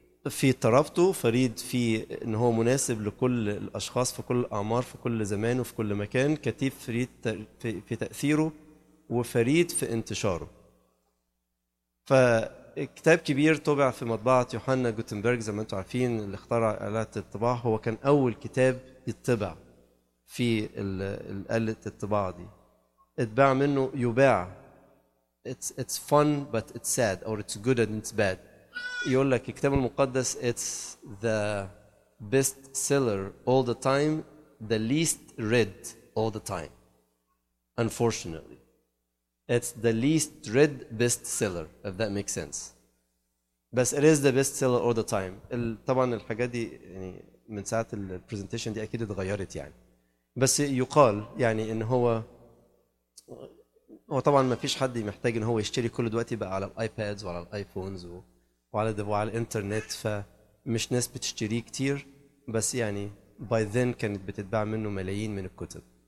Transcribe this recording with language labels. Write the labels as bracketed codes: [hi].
[ar] في طرفته فريد في ان هو مناسب لكل الاشخاص في كل الاعمار في كل زمان وفي كل مكان، كتيب فريد في تاثيره وفريد في انتشاره. فكتاب كبير طبع في مطبعه يوحنا جوتنبرغ زي ما انتم عارفين اللي اخترع آلات الطباعه، هو كان اول كتاب يطبع في آلات الطباعه دي. اتباع منه يباع [en] it's fun but it's sad or it's good and it's bad. [ar] يقول لك الكتاب المقدس [en] it's the best seller all the time, the least read all the time. Unfortunately, it's the least read best seller, if that makes sense. بس it is the best seller all the time. [ar] طبعا الحاجات دي يعني من ساعة البرزنتيشن دي أكيد اتغيرت يعني. بس يقال يعني إن هو طبعا ما فيش حد محتاج إن هو يشتري كل دلوقتي بقى على الآيبادز وعلى الآيفونز وعلى الانترنت، فمش ناس بتشتري كتير، بس يعني [en] by then [ar] كانت بتتباع منه ملايين من الكتب.